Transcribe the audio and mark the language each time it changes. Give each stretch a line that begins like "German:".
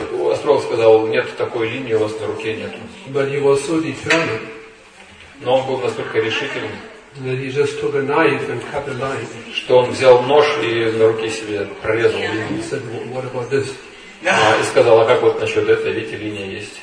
Russian: Астролог сказал, нет такой линии у вас на руке нет.
English: But he was so determined.
Russian: Но он был настолько решительным,
English: that he just took a knife and cut a line.
Russian: Что он взял нож и на руке себе прорезал линию.
English: He said, what about this?
Russian: И сказал, а как вот насчет этой, видите, линия есть.